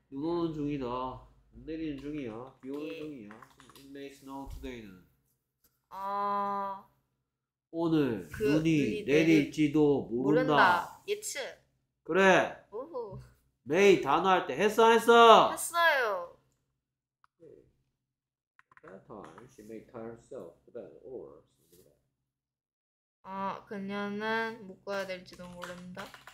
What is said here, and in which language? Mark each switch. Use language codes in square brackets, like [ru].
[ko] 눈 오는 중이다. 내리는 중이야. 비 오는 예. 중이야. [en] It may snow today는 [ko] 아. 오늘 그 눈이 눈이 내릴 내릴지도 모른다. 모른다. 예측. 그래. 오호. 매일 단어할 때 했어 했어. 했어요. [en] That time she may tie herself to bed or something like that. [ko] 아, 그녀는 묶어야 될지도 모른다.